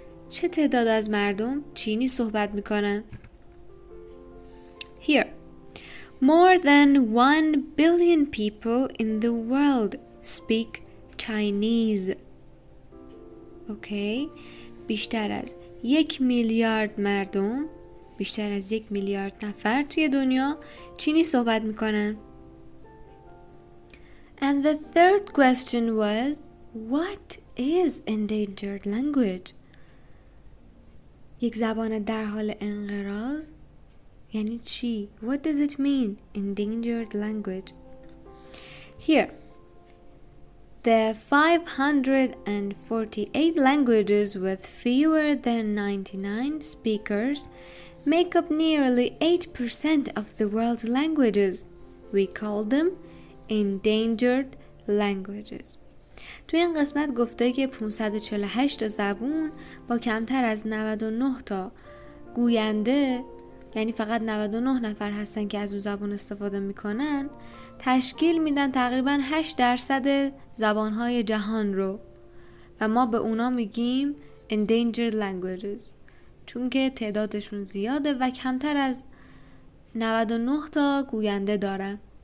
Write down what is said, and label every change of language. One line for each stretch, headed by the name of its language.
Persian: چه تعداد از مردم چینی صحبت میکنن؟
English: Here, more than 1 billion people in the world speak Chinese.
Persian: Okay, بیشتر از 1 میلیارد مردم، بیشتر از 1 میلیارد نفر توی دنیا چینی صحبت میکنن.
English: And the third question was, what is endangered language?
Persian: یک زبان در حال انقراض یعنی چی؟
English: What does it mean? Endangered language. Here, The 548 languages with fewer than 99 speakers make up nearly 8% of the world's languages. We call them endangered languages.
Persian: توی این قسمت گفته که 548 زبون با کمتر از 99 تا گوینده، یعنی فقط 99 نفر هستن که از اون زبان استفاده میکنن، تشکیل میدن تقریبا 8% زبانهای جهان رو و ما به اونا میگیم endangered languages چون که تعدادشون زیاده و کمتر از 99 تا گوینده دارن.